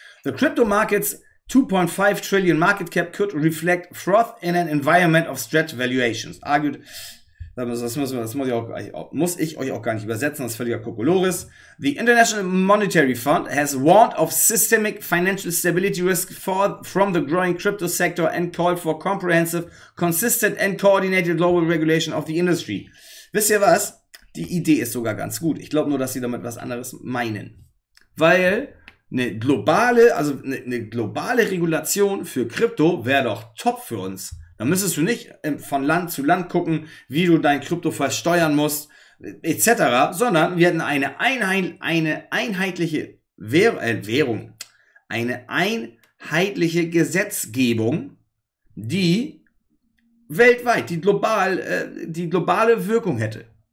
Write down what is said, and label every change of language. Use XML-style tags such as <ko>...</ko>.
<en>The crypto markets 2.5 trillion market cap could reflect froth in an environment of stretched valuations. Argued.</en> <de>Das muss ich euch auch gar nicht übersetzen, das ist völliger Kokolores.</de> <en>The International Monetary Fund has warned of systemic financial stability risk from the growing crypto sector and called for comprehensive, consistent and coordinated global regulation of the industry.</en> <de>Wisst ihr was? Die Idee ist sogar ganz gut. Ich glaube nur, dass sie damit was anderes meinen. Weil eine globale Regulation für Krypto wäre doch top für uns. Da müsstest du nicht von Land zu Land gucken, wie du dein Krypto versteuern musst, etc., sondern wir hätten eine einheitliche Gesetzgebung, die weltweit, die globale Wirkung hätte.</de>